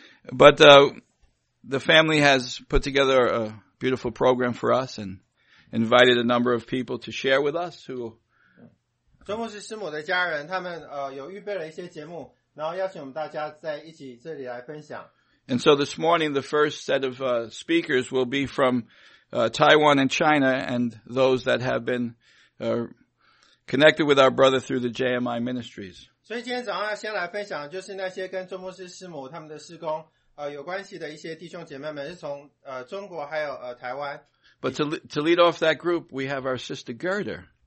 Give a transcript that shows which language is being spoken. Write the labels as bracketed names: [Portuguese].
[English] but the family has put together a beautiful program for us and invited a number of people to share with us who [Chinese] 周牧师师母的家人,他们, 有预备了一些节目, 然后邀请我们大家在一起这里来分享。 [English] And so this morning the first set of speakers will be from Taiwan and China and those that have been connected with our brother through the JMI ministries. [Chinese] 所以今天早上要先来分享就是那些跟周牧师师母他们的施工, 有关系的一些弟兄姐妹们, 是从, 中国还有, 台湾。 [English] But to lead off that group, we have our sister Gerda.